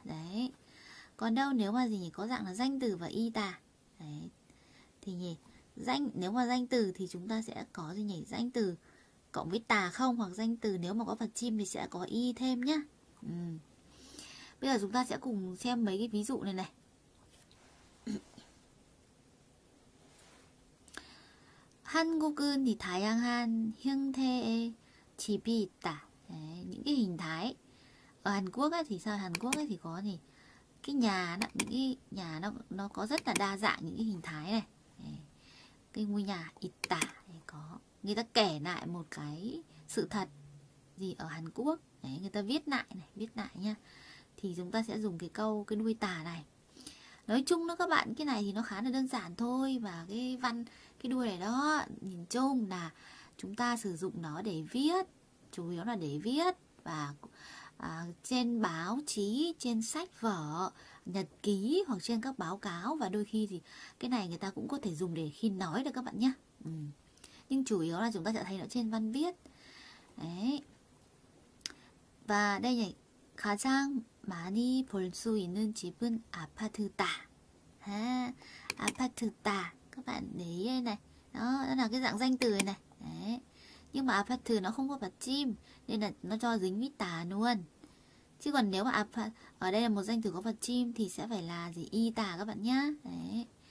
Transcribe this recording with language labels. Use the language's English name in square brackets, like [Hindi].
[Vietnamese] Đấy. Còn đâu nếu mà gì nhỉ? Có dạng là danh từ và y tà. Đấy. Thì nhỉ? Danh nếu mà danh từ thì chúng ta sẽ có gì nhỉ? Danh từ cộng với tà không, hoặc danh từ nếu mà có vật chim thì sẽ có y thêm nhá. Bây giờ chúng ta sẽ cùng xem mấy cái ví dụ này này. [Korean] Hàn Quốc은 thì 다양한 형태의 집이 있다. [Vietnamese] Đấy, những cái hình thái ở Hàn Quốc ấy thì sao, Hàn Quốc ấy thì có gì, cái nhà nó, những cái nhà nó có rất là đa dạng những cái hình thái này. Đấy, cái ngôi nhà itta có, người ta kể lại một cái sự thật gì ở Hàn Quốc. Đấy, người ta viết lại này, viết lại nhá, thì chúng ta sẽ dùng cái câu cái đuôi tả này. Nói chung nó các bạn, cái này thì nó khá là đơn giản thôi, và cái văn cái đuôi này đó nhìn chung là chúng ta sử dụng nó để viết, chủ yếu là để viết và trên báo chí, trên sách vở, nhật ký hoặc trên các báo cáo, và đôi khi thì cái này người ta cũng có thể dùng để khi nói được các bạn nhé. Nhưng chủ yếu là chúng ta sẽ thấy nó trên văn viết đấy. Và đây này, [Korean] 가장 많이 볼수 있는 집은 아파트다. 아파트다. [Vietnamese] Các bạn để ý đây này, đó là cái dạng danh từ này. Đấy. Nhưng mà apartment nó không có bạc chim nên là nó cho dính với tà luôn. Chứ còn nếu mà ở đây là một danh từ có bạc chim thì sẽ phải là gì, y tà các bạn nhá. Đấy.